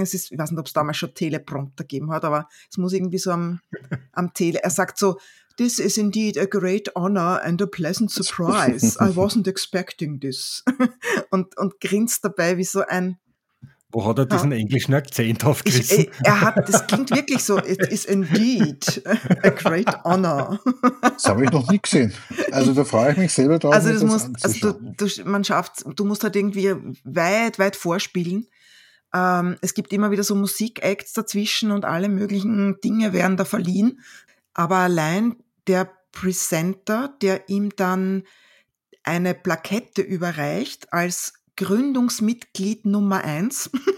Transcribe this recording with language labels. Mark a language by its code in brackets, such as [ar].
[de] Es ist, ich weiß nicht, ob es damals schon Teleprompter gegeben hat, aber es muss irgendwie so am Tele. Er sagt so, [en] this is indeed a great honor and a pleasant surprise. I wasn't expecting this. [de] Und grinst dabei wie so ein Wo hat er diesen englischen Akzent aufgerissen? Das klingt wirklich so. [en] It is indeed a great honor. [de] Das habe ich noch nie gesehen. Also da freue ich mich selber drauf. Also, du musst halt irgendwie weit, weit vorspielen. Es gibt immer wieder so Musik-Acts dazwischen und alle möglichen Dinge werden da verliehen. Aber allein der Presenter, der ihm dann eine Plakette überreicht als Gründungsmitglied Nummer 1.